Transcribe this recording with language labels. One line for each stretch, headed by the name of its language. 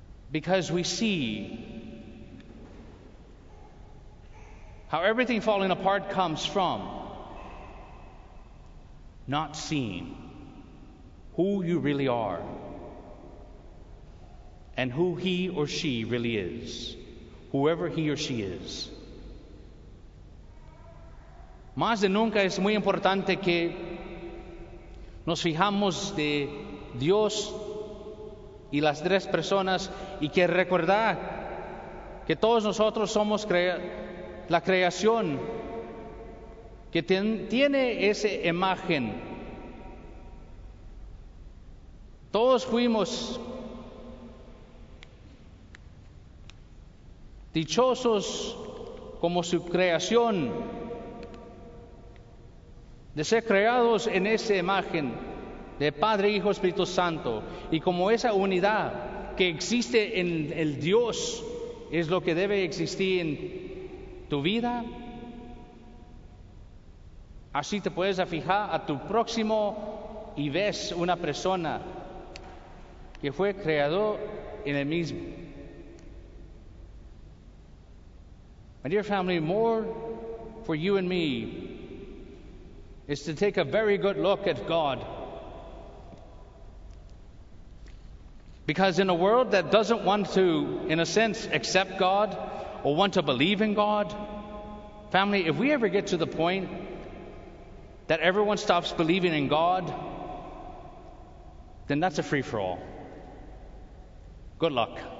English: Because we see how everything falling apart comes from not seeing who you really are and who he or she really is, whoever he or she is.
Spanish: Más de nunca es muy importante que nos fijamos de Dios y las tres personas y que recordar que todos nosotros somos la creación que tiene esa imagen. Todos fuimos dichosos como su creación, de ser creados en esa imagen de Padre, Hijo, Espíritu Santo. Y como esa unidad que existe en el Dios es lo que debe existir en tu vida, así te puedes fijar a tu prójimo y ves una persona que fue creado en el mismo.
English: My dear family, more for you and me is to take a very good look at God. Because in a world that doesn't want to, in a sense, accept God or want to believe in God, family, if we ever get to the point that everyone stops believing in God, then that's a free-for-all. Good luck.